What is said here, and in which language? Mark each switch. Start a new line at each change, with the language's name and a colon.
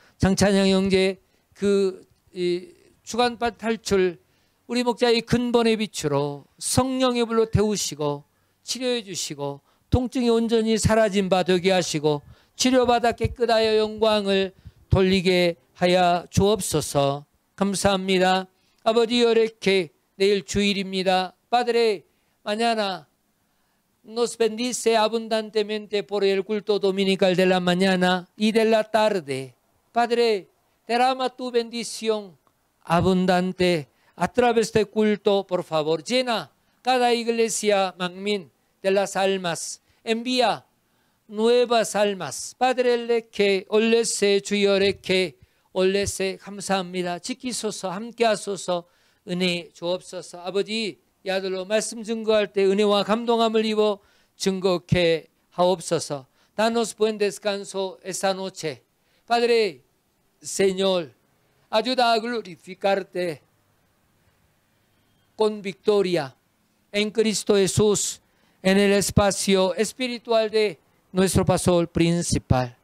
Korean: 장찬영 형제 그 주간밭 탈출 우리 목자의 근본의 빛으로 성령의 불로 태우시고 치료해 주시고 통증이 온전히 사라진 바 되게 하시고 치료받아 깨끗하여 영광을 돌리게 하여 주옵소서. 감사합니다. 아버지 여렉케 내일 주일입니다.
Spanish: 빠드레 마냐나 Nos bendice abundantemente por el culto dominical de la mañana y de la tarde. Padre, derrama tu bendición abundante a través de culto, por favor. Llena cada iglesia, Mangmin, de las almas. Envía nuevas almas. Padre, leke, olese, chuyo, leke, olese, 감사합니다.
Korean: 지키소서, 함께하소서, 은혜 주옵소서, 아버지. 이 아들로 말씀 증거할 때 은혜와 감동함을 입어 증거케 하옵소서.
Spanish: Danos buen descanso esta noche. Padre, Señor, ayuda a glorificarte con victoria en Cristo Jesús, en el espacio espiritual de nuestro pastor principal.